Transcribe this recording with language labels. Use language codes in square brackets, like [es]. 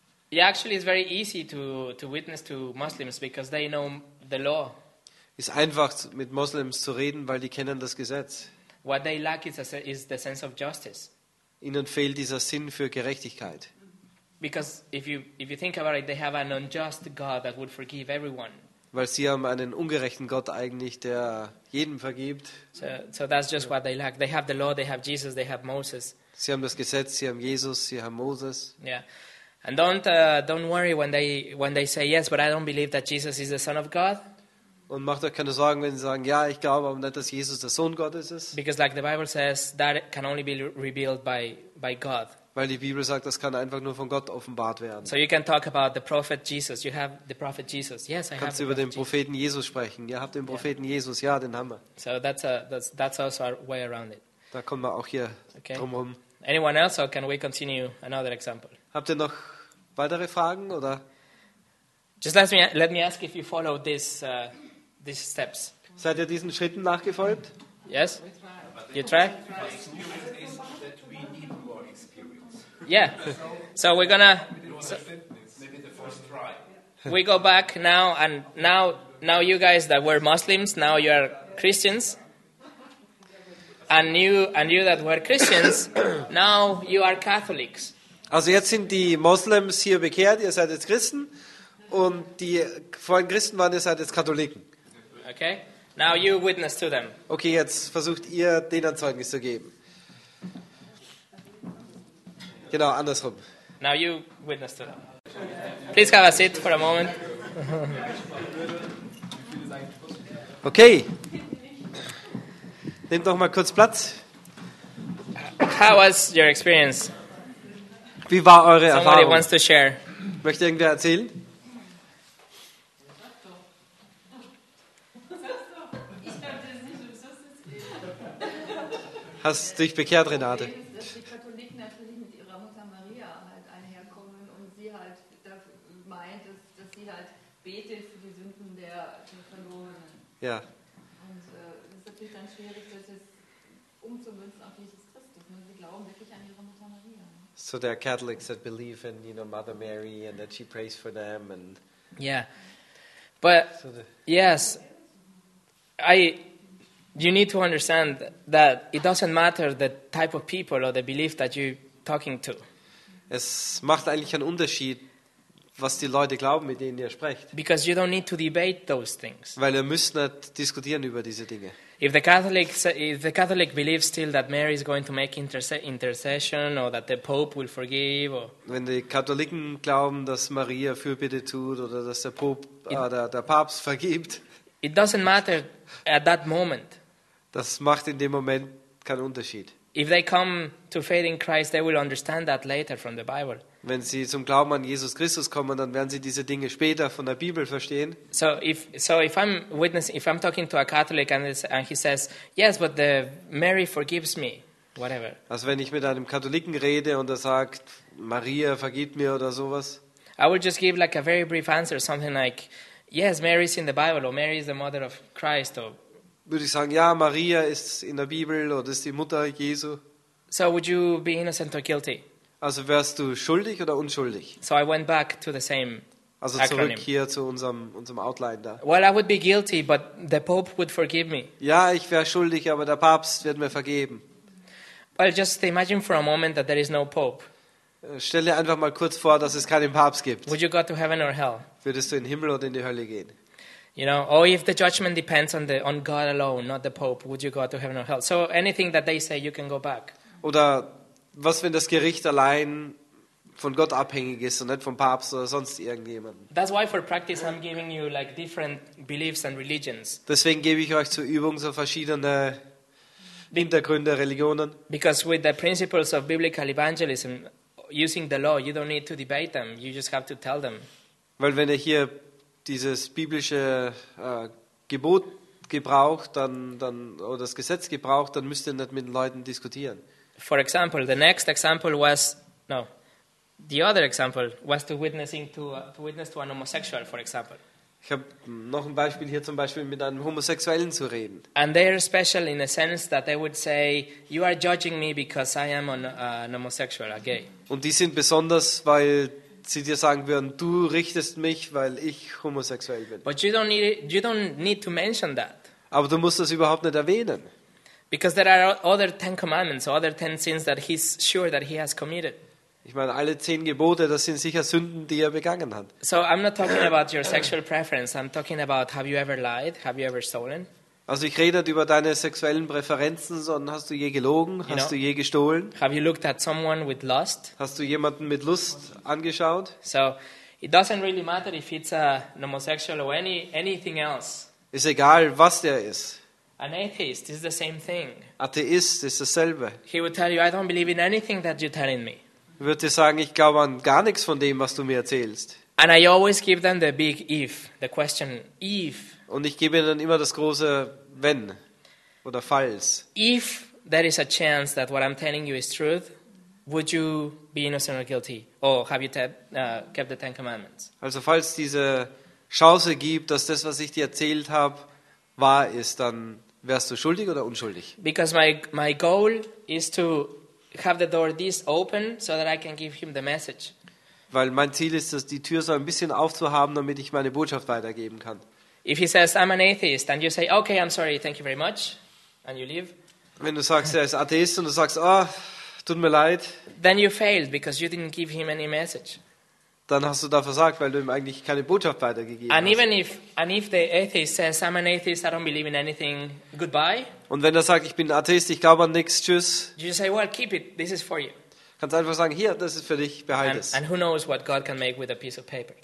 [en] Yeah, actually, it's very easy to witness to Muslims because they know the law. [de] Ist einfach mit Muslims zu reden, weil die kennen das Gesetz. [en] What they lack is the sense of justice. [de] Ihnen fehlt dieser Sinn für Gerechtigkeit. [en] Because if you think about it, they have an unjust God that would forgive everyone. [de] Weil sie haben einen ungerechten Gott eigentlich, der jedem vergibt. [en] So that's just what they lack. They have the law. They have Jesus. They have Moses. [de] Sie haben das Gesetz. Sie haben Jesus. Sie haben Moses. [en] Yeah. And don't worry when they say yes, but I don't believe that Jesus is the Son of God. [de] Und macht euch keine Sorgen, wenn sie sagen, ja, ich glaube aber nicht, dass Jesus der Sohn Gottes ist. [en] Because like the Bible says, that can only be revealed by God. [de] Weil die Bibel sagt, das kann einfach nur von Gott offenbart werden. [en] So you can talk about the prophet Jesus. You have the prophet Jesus. Yes, I have. [de] Kannst du über den Propheten Jesus sprechen? Ihr habt den Propheten [en] yeah. [de] Jesus. Ja, den haben wir. [en] So that's also our way around it. [de] Da kommt man auch hier [en] okay. [de] drumherum. [en] Anyone else? Or can we continue another example? [de] Habt ihr noch weitere Fragen oder? [en] Just let me ask if you follow this these steps. [de] Seid ihr diesen Schritten nachgefolgt? [en] Yes. You try? Yeah. So we're gonna. Maybe the first try. We go back now, and now you guys that were Muslims, now you are Christians. And you that were Christians, now you are Catholics. [de] Also jetzt sind die Moslems hier bekehrt, ihr seid jetzt Christen. Und die vorhin Christen waren, ihr seid jetzt Katholiken. [en] Okay, now you witness to them. [de] Okay, jetzt versucht ihr, denen Zeugnis zu geben. Genau, andersrum. [en] Now you witness to them. Please have a seat for a moment. Okay. [de] Nehmt doch mal kurz Platz. [en] How was your experience? [de] Wie war eure [en] Somebody [de] Erfahrung? [en] Wants to share. [de] Möchte irgendwer erzählen? Hast du dich bekehrt, Renate? Das Problem ist, dass die Katholiken natürlich mit ihrer Mutter Maria halt einherkommen und sie halt meint, dass sie halt betet für die Sünden der Verlorenen. Ja. Und es ist natürlich dann schwierig, das jetzt umzumünzen auf Jesus Christus. Und sie glauben wirklich an ihre Mutter Maria. [en] So there are Catholics that believe in, you know, Mother Mary and that she prays for them and yeah. But so yes. You need to understand that it doesn't matter the type of people or the belief that you're talking to. [de] Es macht eigentlich einen Unterschied, was die Leute glauben, mit denen ihr sprecht. [en] Because you don't need to debate those things. [de] Weil ihr müsst nicht diskutieren über diese Dinge. [en] If the Catholic believes still that Mary is going to make intercession or that the Pope will forgive, or [de] wenn die Katholiken glauben, dass Maria Fürbitte tut oder dass der Pope der Papst vergibt, [en] it doesn't matter at that moment. [de] Das macht in dem Moment keinen Unterschied. [en] If they come to faith in Christ, they will understand that later from the Bible. [de] Wenn sie zum Glauben an Jesus Christus kommen, dann werden sie diese Dinge später von der Bibel verstehen. [en] So if I'm talking to a Catholic and he says, yes, but the Mary forgives me, whatever. [de] Also wenn ich mit einem Katholiken rede und er sagt, Maria vergibt mir oder sowas. [en] I will just give like a very brief answer, something like, yes, Mary is in the Bible, or Mary is the mother of Christ. Or [de] würde ich sagen, ja, Maria ist in der Bibel oder ist die Mutter Jesu. [en] So would you be innocent or guilty? [de] Also wärst du schuldig oder unschuldig? [en] So I went back to the same [de] also [en] acronym. [de] Zurück hier zu unserem Outline da. [en] Well, I would be guilty, but the Pope would forgive me. [de] Ja, ich wäre schuldig, aber der Papst wird mir vergeben. [en] Well, just imagine for a moment that there is no Pope. [de] Stell dir einfach mal kurz vor, dass es keinen Papst gibt. [en] Would you go to heaven or hell? [de] Würdest du in den Himmel oder in die Hölle gehen? [en] You know, or if the judgment depends on God alone, not the Pope, would you go to heaven or hell? So anything that they say, you can go back. [de] Oder was, wenn das Gericht allein von Gott abhängig ist und nicht vom Papst oder sonst irgendjemandem? [en] That's why for practice I'm giving you like different beliefs and religions. [de] Deswegen gebe ich euch zur Übung so verschiedene Hintergründe, Religionen. [en] Because with the principles of biblical evangelism, using the law, you don't need to debate them. You just have to tell them. [de] Weil wenn ihr hier dieses biblische Gebot gebraucht, dann oder das Gesetz gebraucht, dann müsst ihr nicht mit den Leuten diskutieren. [en] For example, the next example was no. The other example was to witness to an homosexual, for example. [de] Ich habe noch ein Beispiel hier, zum Beispiel mit einem Homosexuellen zu reden. [en] And they are special in a sense that they would say, you are judging me because I am an homosexual, a gay. [de] Und die sind besonders, weil sie dir sagen würden, du richtest mich, weil ich homosexuell bin. [en] But you don't need to mention that. [de] Aber du musst das überhaupt nicht erwähnen. [en] Because there are other 10 commandments, other 10 sins that he's sure that he has committed. [de] Ich meine, alle 10 Gebote, das sind sicher Sünden, die er begangen hat. [en] So I'm not talking about your sexual preference. I'm talking about, have you ever lied? Have you ever stolen? [de] Also ich rede nicht über deine sexuellen Präferenzen, sondern hast du je gelogen? Hast du je gestohlen? [en] Have you looked at someone with lust? [de] Hast du jemanden mit Lust angeschaut? [en] So it doesn't really matter if it's a homosexual or anything else. [de] Ist egal, was der ist. [en] An atheist is the same thing. [de] Atheist ist dasselbe. [en] He would tell you, I don't believe in anything that you're telling me. [de] Würde dir sagen, ich glaube an gar nichts von dem, was du mir erzählst. [en] And I always give them the big if, the question if. [de] Und ich gebe ihnen immer das große wenn oder falls. [en] If there is a chance that what I'm telling you is truth, would you be innocent or guilty? Or have you kept the Ten Commandments? [de] Also falls diese Chance gibt, dass das, was ich dir erzählt habe, wahr ist, dann wärst du schuldig oder unschuldig? [en] Because my goal is to have the door this open so that I can give him the message. [de] Weil mein Ziel ist es, die Tür so ein bisschen aufzuhaben, damit ich meine Botschaft weitergeben kann. [en] If he says I'm an atheist and you say okay, I'm sorry, thank you very much and you leave. [de] Wenn du sagst, er ist Atheist und du sagst, oh, tut mir leid. [en] Then you failed because you didn't give him any message. [de] Dann hast du da versagt, weil du ihm eigentlich keine Botschaft weitergegeben hast. [en] And if the atheist says, I'm an atheist, I don't believe in anything, goodbye. [de] Und wenn er sagt, ich bin Atheist, ich glaube an nichts, tschüss. [en] You say, well, keep it, this is for you. [de] Kannst einfach sagen, hier, das ist für dich, behalte es. [en] And who knows what God can make with a piece of paper.